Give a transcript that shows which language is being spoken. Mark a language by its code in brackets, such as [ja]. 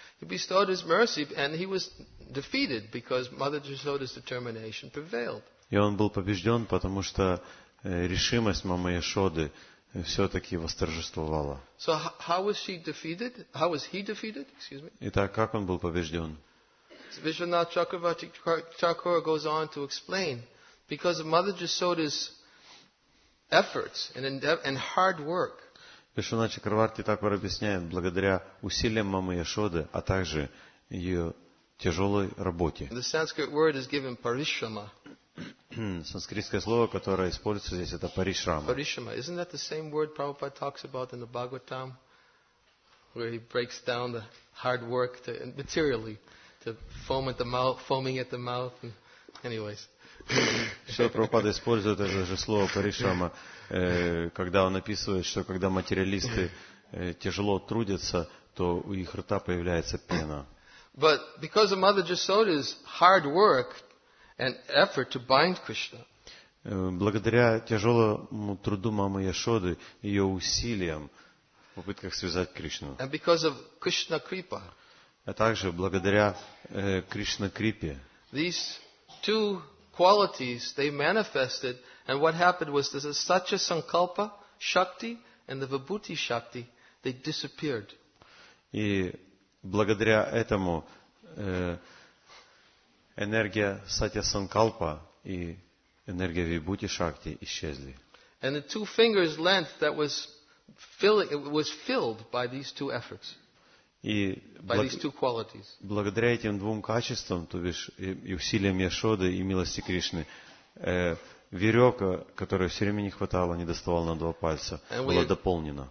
[en] He bestowed his mercy, and he was defeated because Mother Jasoda's determination prevailed. [ru] И он был побежден, потому что решимость мамы Яшоды все-таки восторжествовала. [en] So how was she defeated? How was he defeated? Excuse me. [ru] Итак, как он был побежден? [en] Vishwanath Chakravarti Thakura goes on to explain, because of Mother Jasoda's efforts and hard work. [ru] Vishwanath Chakravarti Thakura объясняет, благодаря усилиям мамы Яшоды, а также ее тяжелой работе. [en] The Sanskrit word is given parishrama. [ru] Санскритское слово, которое используется здесь, это парисрама. [en] Парисрама, isn't that the same word Prabhupada talks about in the Bhagavatam, where he breaks down the hard work to, materially, to foam at the mouth, foaming at the mouth, and anyways. [ru] Что Прабхупада использует это же слово парисрама, когда он описывает, что когда материалисты тяжело трудятся, то у их рта появляется пена. [en] But because of Mother Jasoda's hard work and effort to bind Krishna. [ru] Благодаря тяжелому труду мамы Яшоды, ее усилиям в попытках связать Кришну. [en] And because of Krishna Kripa. [ru] А также благодаря Кришна Крипе. [en] These two qualities they manifested, and what happened was the Satya Sankalpa Shakti and the Vibhuti Shakti, they disappeared. [ru] И благодаря этому энергия Сатья Санкалпа и энергия Вибхути Шакти исчезли. [en] And the two fingers length that was filling, it was filled by these two efforts. By these two qualities. [ru] Благодаря этим двум качествам, то бишь и усилиям Яшоды и милости Кришны, веревка, которая все время не хватало, не доставала на два пальца, была дополнена.